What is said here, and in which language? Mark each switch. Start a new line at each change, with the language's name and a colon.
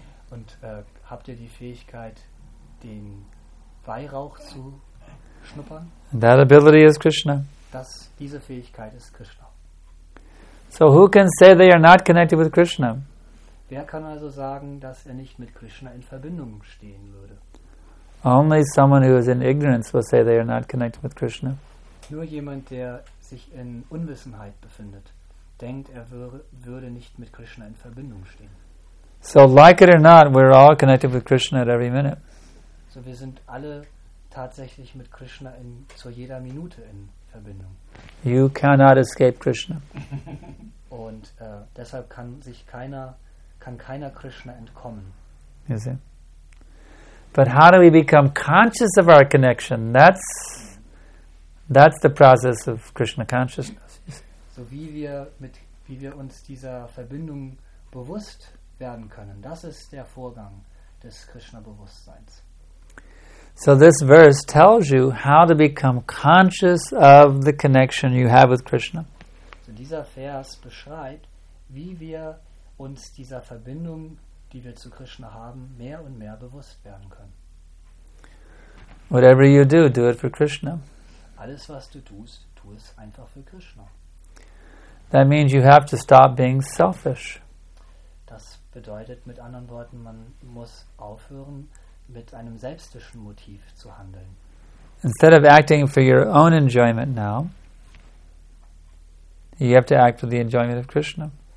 German: Und habt ihr die Fähigkeit, den Weihrauch zu schnuppern?
English: That ability is Krishna.
German: Diese Fähigkeit ist Krishna.
English: So who can say they are not connected with Krishna?
German: Wer kann also sagen, dass er nicht mit Krishna in Verbindung stehen würde?
English: Only someone who is in ignorance will say they are not connected with Krishna.
German: Nur jemand, der sich in Unwissenheit befindet, denkt, er würde nicht mit Krishna in Verbindung stehen.
English: So like it or not, we're all connected with Krishna at every minute.
German: So wir sind alle tatsächlich mit Krishna zu jeder Minute in Verbindung.
English: You cannot escape Krishna.
German: Und deshalb kann sich keiner Krishna entkommen.
English: You see? But how do we become conscious of our connection? That's the process of Krishna consciousness.
German: So wie wir uns dieser Verbindung bewusst werden können, das ist der Vorgang des Krishna-Bewusstseins.
English: So this verse tells you how to become conscious of the connection you have with Krishna.
German: So dieser Vers beschreibt, wie wir uns dieser Verbindung, die wir zu Krishna haben, mehr und mehr bewusst werden können.
English: Whatever you do, do it for Krishna.
German: Alles, was du tust, tu es einfach für Krishna.
English: That means you have to stop being selfish.
German: Das bedeutet mit anderen Worten, man muss aufhören, mit einem selbstischen Motiv zu handeln.
English: Instead of acting for your own enjoyment now, you have to act for the enjoyment of Krishna.